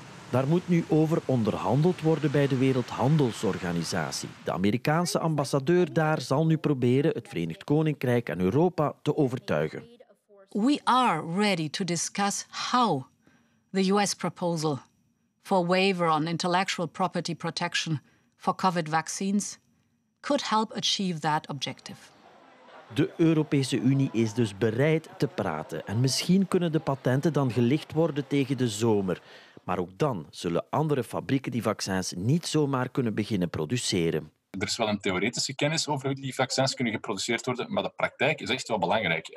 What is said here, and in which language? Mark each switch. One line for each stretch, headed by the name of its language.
Dutch: Daar moet nu over onderhandeld worden bij de Wereldhandelsorganisatie. De Amerikaanse ambassadeur daar zal nu proberen het Verenigd Koninkrijk en Europa te overtuigen.
English: We are ready to discuss how the US proposal for waiver on intellectual property protection for COVID vaccines could help achieve that objective.
Dutch: De Europese Unie is dus bereid te praten en misschien kunnen de patenten dan gelicht worden tegen de zomer. Maar ook dan zullen andere fabrieken die vaccins niet zomaar kunnen beginnen produceren. Er is wel een theoretische kennis over hoe die vaccins kunnen geproduceerd worden, maar de praktijk is echt wel belangrijk.